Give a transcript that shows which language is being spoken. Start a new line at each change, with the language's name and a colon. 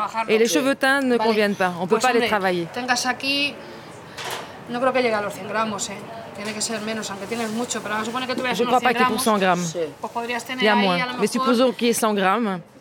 French: Et les cheveux teints ne conviennent pas. On ne peut pas les travailler.
Spanish: Tengas aquí, no creo que llegue a los 100 gramos, eh. Tiene que ser menos, aunque tienes mucho, pero vamos a suponer que tuvieras.
French: Je ne crois pas qu'il y ait pour 100 grammes. Il y a moins. Mais supposons qu'il y ait 100 grammes.